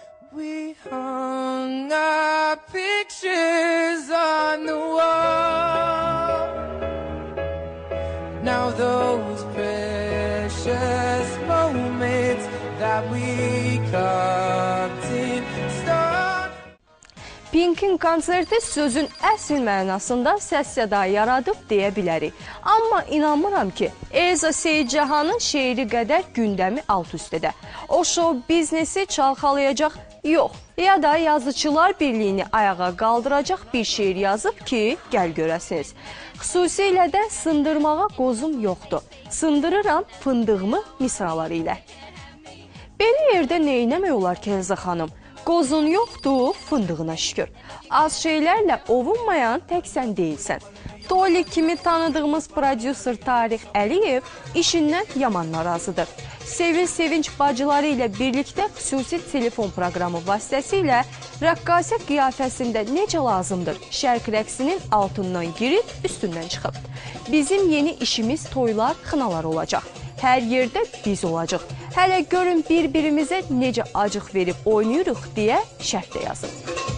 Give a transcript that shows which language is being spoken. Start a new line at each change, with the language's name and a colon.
English: We hung our pictures on the wall. Now those precious moments that we kept in store.
Azerbaijani: Pink'in konserti sözün əsl mənasında səs-səda yaradıb deyə bilərik. Amma inanmıram ki, Elza Seyidcahanın şeiri qədər gündəmi alt üst edə. O şov biznesi çalxalayacaq, yox, ya da yazıçılar birliyini ayağa qaldıracaq bir şeir yazıb ki, gəl görəsiniz. Xüsusilə də sındırmağa qozum yoxdur. Sındırıram fındığımı misraları ilə. Belə yerdə neynəmək olar ki, Elza xanım? Qozun yoxdur, fındığına şükür. Az şeylərlə ovunmayan tək sən deyilsən. Toli kimi tanıdığımız prodüser Tariq Əliyev işindən yaman narazıdır. Sevil Sevinç bacıları ilə birlikdə xüsusi telefon proqramı vasitəsilə rəqqasə qiyafəsində necə lazımdır şərq rəqsinin altından girib üstündən çıxıb. Bizim yeni işimiz toylar, xınalar olacaq. Hər yerdə biz olacaq. Hələ görün bir-birimizə necə acıq verib oynayırıq deyə şərh də yazıb.